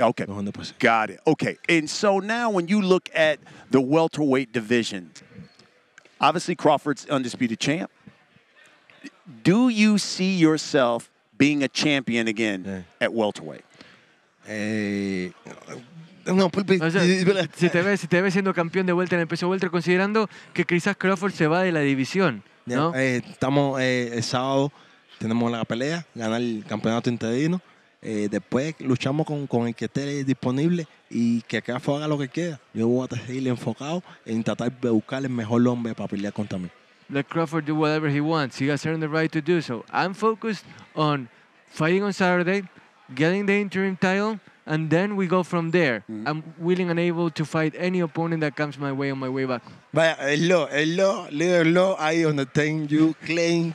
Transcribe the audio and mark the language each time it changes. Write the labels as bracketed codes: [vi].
[en] Okay. 100%. Got it. Okay. And so now when you look at the welterweight division, obviously Crawford's undisputed champ. Do you see yourself being a champion again at welterweight? No, pulpi. [es] O sea, si te ves siendo campeón de vuelta en el peso welter, considerando que quizás Crawford se va de la división, ¿no? Estamos el sábado, tenemos la pelea, ganar el campeonato interino. Después luchamos con el que esté disponible y que Crawford haga lo que quiera. Yo voy a seguir enfocado en tratar de buscar el mejor hombre para pelear contra mí. [en] Let Crawford do whatever he wants. He has earned the right to do so. I'm focused on fighting on Saturday, getting the interim title, And then we go from there. Mm-hmm. I'm willing and able to fight any opponent that comes my way on my way back. But hello, little law, I understand you. Clean.